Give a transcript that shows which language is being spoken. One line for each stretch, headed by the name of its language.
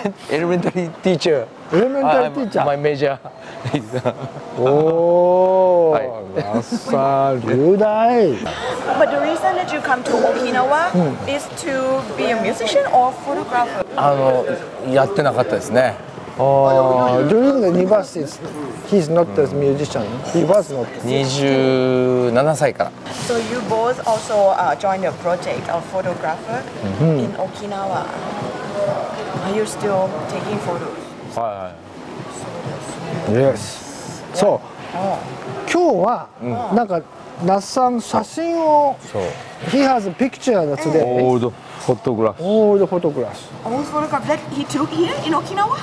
English: elementary teacher. Elementary teacher. My major. Oh, Natsu-san, Ryudai. But the reason that you come to Okinawa is to be a musician or photographer.
Japanese: やってなかったですね。
English: During the university, he's not a musician. He was not.
Japanese: 27 歳から。
English: So you both also joined a project of photographer in Okinawa. Are you still taking photos?
Japanese: はい。
English: Yes. So,
Japanese: 今日はなんか那さん写真を。そう。
English: He has a picture that today. Old photograph. Old photograph. Old photograph that he took here in Okinawa?